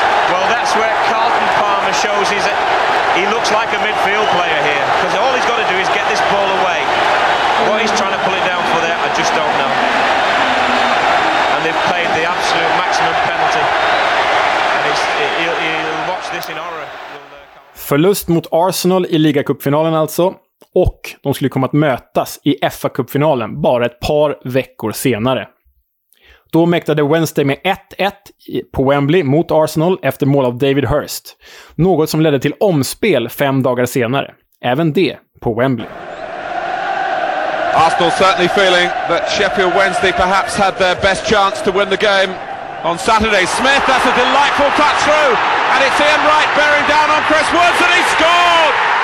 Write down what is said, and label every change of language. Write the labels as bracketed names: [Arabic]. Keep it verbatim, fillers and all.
[English] Well, that's where Carlton Palmer shows he's a, he looks like a midfield player here. Because all he's got to do is get this ball away. What he's trying to pull it down for there, I just don't know. And they've played the absolute maximum penalty. And it's, he'll, he'll watch this in horror. [Swedish] Förlust mot Arsenal i ligacupfinalen alltså. Och de skulle komma att mötas i F A-cupfinalen bara ett par veckor senare. Då mäktade Wednesday med ett ett på Wembley mot Arsenal efter mål av David Hurst. Något som ledde till omspel fem dagar senare. Även det på Wembley. [English] Arsenal certainly feeling that Sheffield Wednesday perhaps had their best chance to win the game on Saturday. Smith, that's a delightful touch through, and it's Ian Wright bearing down on Chris Woods, and he scored!